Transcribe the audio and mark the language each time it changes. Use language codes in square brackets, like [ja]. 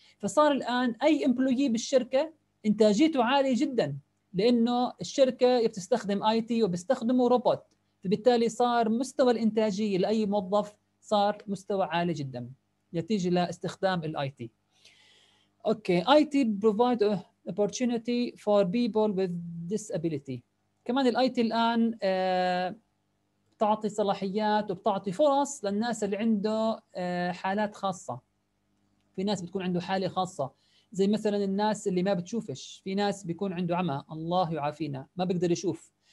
[ar] فصار الآن أي إمبلويي بالشركة إنتاجيته عالية جداً لأنه الشركة بتستخدم IT وبيستخدموا روبوت، فبالتالي صار مستوى الإنتاجية لأي موظف صار مستوى عالي جداً نتيجة لاستخدام الـ IT. [en] Okay, IT provide opportunity for people with disability. [ar] كمان الـ IT الآن بتعطي صلاحيات وبتعطي فرص للناس اللي عنده حالات خاصة. في ناس بتكون عنده حالة خاصة زي مثلاً الناس اللي ما بتشوفش، في ناس بيكون عنده عمى الله يعافينا ما بيقدر يشوف.